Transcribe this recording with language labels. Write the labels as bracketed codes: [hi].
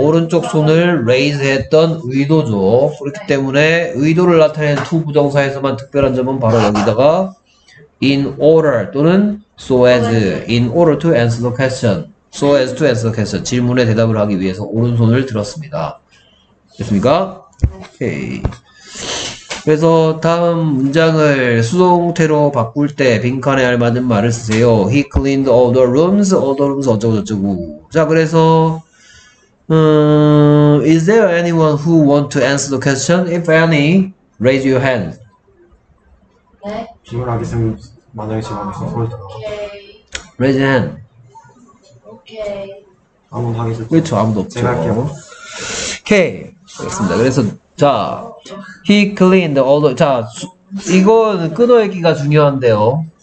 [ko] 오른쪽 손을 raise 했던 의도죠. 그렇기 때문에 의도를 나타내는 to 부정사에서만 특별한 점은 바로 여기다가 in order 또는 so as [en] in order to answer the question. So as to answer the question. [ko] 질문에 대답을 하기 위해서 오른손을 들었습니다. 됐습니까? 오케이. 그래서 다음 문장을 수동태로 바꿀 때 빈칸에 알맞은 말을 쓰세요. [en] He cleaned all the rooms. All the rooms [ko] 어쩌고저쩌고. 자, 그래서 [en] is there anyone who want to answer the question? If any, raise your hand. [ko] 네. 질문하겠습니다. 만약에 질문하겠습니다. [en] 오케이. Raise your hand. [ko] 오케이. 아무도 하겠어요? 그렇죠. 아무도 없죠. 제가 할게요. 오케이. 알겠습니다. 그래서 자, [en] he cleaned all the. [ko] 자, 이거는 끊어읽기가 중요한데요.